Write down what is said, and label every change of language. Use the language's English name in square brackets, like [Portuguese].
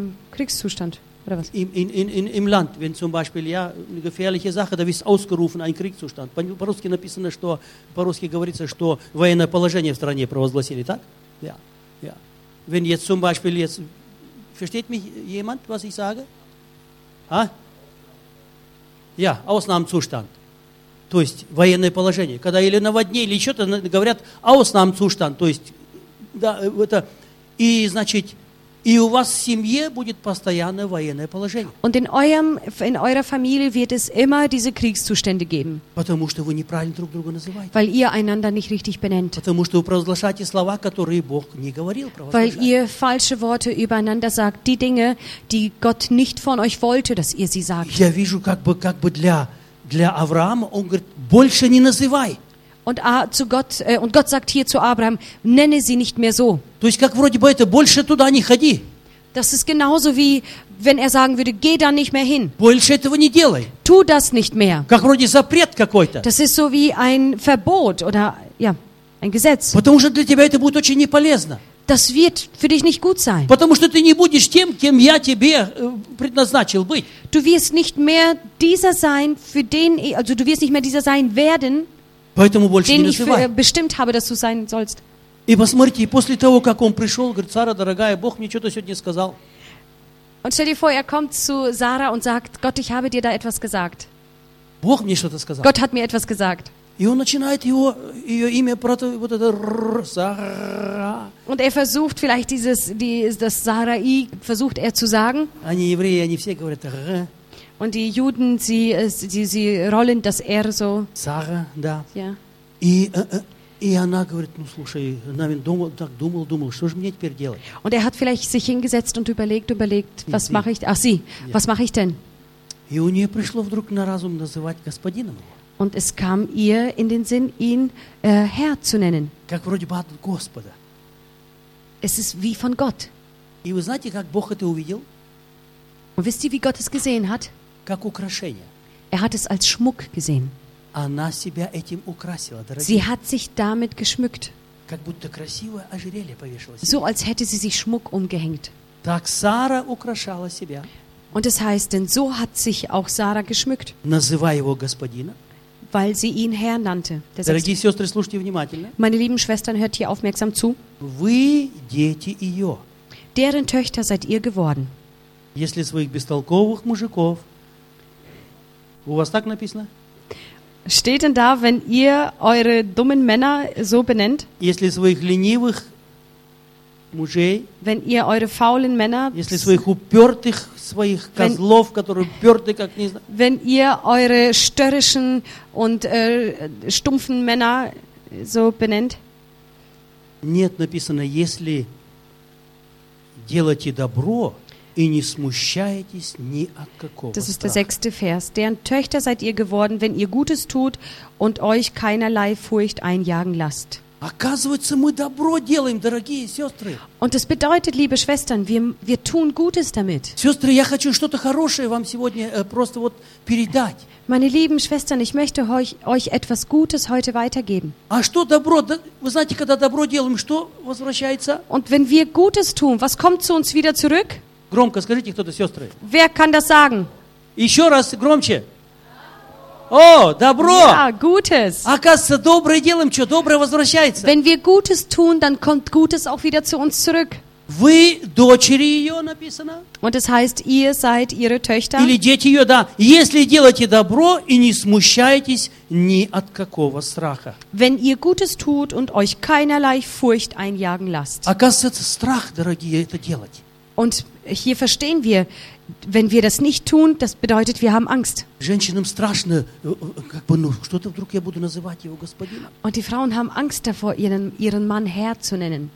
[German] Kriegszustand oder was? Im Land, wenn zum Beispiel ja eine gefährliche Sache, da wird ausgerufen ein Kriegszustand. [Russian] По-русски написано, что по-русски говорится, что военное положение в стране провозгласили, так? [German] Ja. Wenn jetzt zum Beispiel jetzt versteht mich jemand, was ich sage? Ha? Ja, Ausnahmezustand. [Russian] То есть военное положение. Когда или наводнение, или что-то говорят, Ausnahmezustand. То есть да, это и значит, и у вас в семье будет постоянное военное положение. [German] Und in eurer Familie wird es immer diese Kriegszustände geben. [Russian] Потому что вы неправильно друг друга называете. [German] Weil ihr einander nicht richtig benennt. [Russian] Потому что вы провозглашаете слова, которые Бог не говорил. [German] Weil ihr falsche Worte übereinander sagt, die Dinge, die Gott nicht von euch wollte, dass ihr sie sagt. [Russian] Я вижу, как бы для Авраама, он говорит, больше не называй. [German] Und Gott sagt hier zu Abraham, nenne sie nicht mehr so. [Russian] То есть, как вроде бы это, больше туда не ходи. [German] Das ist genauso wie, wenn er sagen würde, geh da nicht mehr hin. [Russian] Больше этого не делай. [German] Tu das nicht mehr. [Russian] Как вроде запрет какой-то. [German] Das ist so wie ein Verbot oder ja, ein Gesetz. [Russian] Потому что для тебя это будет очень неполезно. [German] Das wird für dich nicht gut sein. [Russian] Потому что ты не будешь тем, кем я тебе предназначил быть. [German] Du wirst nicht mehr dieser sein, für den, also du wirst nicht mehr dieser sein werden, [Russian] поэтому больше [German] den [Russian] не [German] ich [Russian] называй. [German] Für bestimmt habe, dass du sein sollst. [Russian] И посмотрите, после того, как он пришел, говорит, Сара, дорогая, Бог мне что-то сегодня сказал. [German] Und stell dir vor, er kommt zu Sara und sagt, Gott, ich habe dir da etwas gesagt. [Russian] Бог мне что-то сказал. [German] Gott hat mir etwas gesagt. [Russian] И он начинает ее имя, брата, вот это, Сара. [German] Und er versucht vielleicht das Sara-i, versucht er zu sagen. [Russian] Они евреи, они все говорят, [German] Und die Juden, sie rollen das R so. [Russian] Sara, да. [German] Ja. [Russian] И она говорит, ну слушай, наверное, думал, что же мне теперь делать? [German] Und er hat vielleicht sich hingesetzt und überlegt, nee, was mache ich, ach sie, ja. Was mache ich denn? [Russian] И у нее пришло вдруг на разум называть господином его. [German] Und es kam ihr in den Sinn, ihn Herr zu nennen. [Russian] Как вроде бы от Господа. [German] Es ist wie von Gott. [Russian] И вы знаете, как Бог это увидел? [German] Und wisst ihr, wie Gott es gesehen hat? [Russian] Как украшение. [German] Er hat es als Schmuck gesehen. [Russian] Она себя этим украсила, дорогие. [German] Sie hat sich damit geschmückt. [Russian] Как будто красивое ожерелье повешала [German] себе. So als hätte sie sich Schmuck umgehängt. [Russian] Так Сара украшала себя. [German] Und es heißt, denn so hat sich auch Sara geschmückt. [Russian] Называя его господина. [German] Weil sie ihn Herr nannte. [Russian] Дорогие сестры, слушайте внимательно. [German] Meine lieben Schwestern, hört hier aufmerksam zu. [Russian] Вы дети ее. [German] Deren Töchter seid ihr geworden. [Russian] Если своих бестолковых мужиков. У вас так написано? [German] Steht denn da, wenn ihr eure dummen Männer so benennt? [Russian] Если своих ленивых мужей. [German] Wenn ihr eure faulen Männer. [Russian] Если своих упертых, своих козлов, которые уперты, как не знаю. [German] Wenn ihr eure störrischen und stumpfen Männer so benennt? [Russian] Нет, написано, если делаете добро, и не смущаетесь ни от какого страха. [German] Das ist der sechste Vers. Deren Töchter seid ihr geworden, wenn ihr Gutes tut und euch keinerlei Furcht einjagen lasst. [Russian] Оказывается, мы добро делаем, дорогие сестры. [German] Und das bedeutet, liebe Schwestern, wir tun Gutes damit. [Russian] Сестры, я хочу что-то хорошее вам сегодня просто вот передать. [German] Meine lieben Schwestern, ich möchte euch etwas Gutes heute weitergeben. [Russian] А что добро? Вы знаете, когда добро делаем, что возвращается? [German] Und wenn wir Gutes tun, was kommt zu uns wieder zurück? [Russian] Громко скажите кто-то, сестры. [German] Wer kann das sagen? [Russian] Еще раз громче. О, добро! [German] Ja, Gutes. [Russian] Оказывается, доброе делаем, что доброе возвращается. [German] Wenn wir Gutes tun, dann kommt Gutes auch wieder zu uns zurück. [Russian] Вы дочери ее, написано. [German] Und es heißt, ihr seid ihre Töchter. [Russian] Или дети ее, да. Если делаете добро и не смущаетесь ни от какого страха. [German] Wenn ihr Gutes tut und euch keinerlei Furcht einjagen lasst. [Russian] Оказывается, страх, дорогие, это делать. [German] Und hier verstehen wir, wenn wir das nicht tun, das bedeutet, wir haben Angst. [Russian] Женщинам страшно, как бы, ну, что-то вдруг я буду называть его господином. [German] Und die Frauen haben Angst davor, ihren Mann Herr zu nennen.